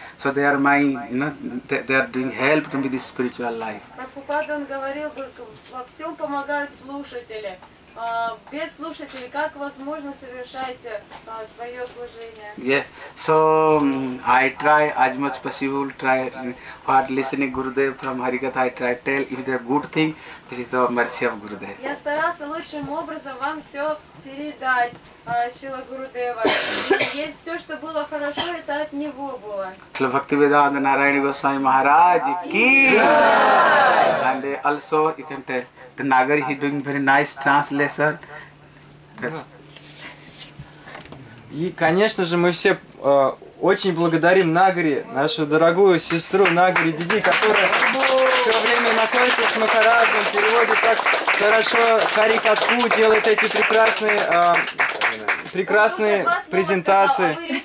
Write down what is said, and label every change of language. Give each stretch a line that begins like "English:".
English: So they are my, you know, they are doing help to me this spiritual life.
Russian: Prabhupada, он говорил, во всем помогают слушатели. без слушателей, как возможно совершать свое служение?
English: Yeah, so I try as much possible, try what listening Gurudev from Harikatha, I try tell if there good thing, this is the mercy of Gurudev.
Russian: Я старался лучшим образом вам все передать, Шрила Гурудева. Есть все, что было хорошо, это от него было. Шрила Бхактивиданта Нараяна Госвами Махарадж ки.
English: And also you can tell, the Nagar, he doing very nice translation.
Russian: И, конечно же, мы все очень благодарим Нагари, нашу дорогую сестру Нагари Диди, которая все время находится с Махараджем, переводит так хорошо харикатху, делает эти прекрасные, прекрасные презентации.